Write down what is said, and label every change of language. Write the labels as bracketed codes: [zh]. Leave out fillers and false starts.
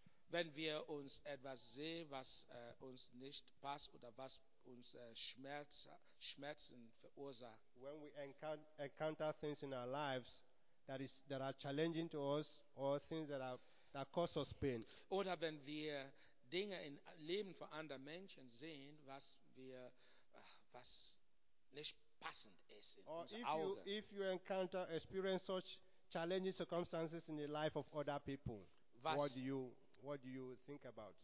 [de] Wenn wir uns etwas sehen, was uns nicht passt oder was uns Schmerzen verursacht. [en] When we encounter things in our lives that are challenging to us or things that cause us pain. [de] Oder wenn wir Dinge im Leben von anderen Menschen sehen, was nicht passend ist in unseren Augen. [en] If you experience such challenging circumstances in the life of other people, what do you think about?